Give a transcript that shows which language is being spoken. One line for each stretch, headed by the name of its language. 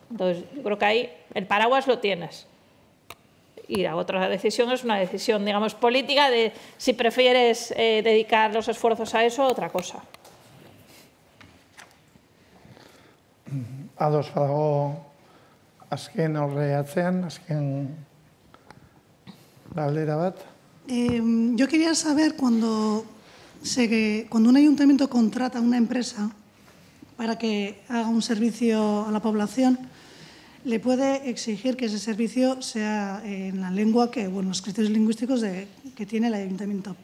Spanish: Entonces, yo creo que ahí el paraguas lo tienes. Y la otra decisión es una decisión, digamos, política de si prefieres dedicar los esfuerzos a eso o otra cosa.
Basque: Ados badago azken horre atzean, azken galdera bat.
Spanish: Yo quería saber cuando un ayuntamiento contrata una empresa para que haga un servicio a la población, le puede exigir que ese servicio sea en la lengua que, bueno, los criterios lingüísticos que tiene el ayuntamiento.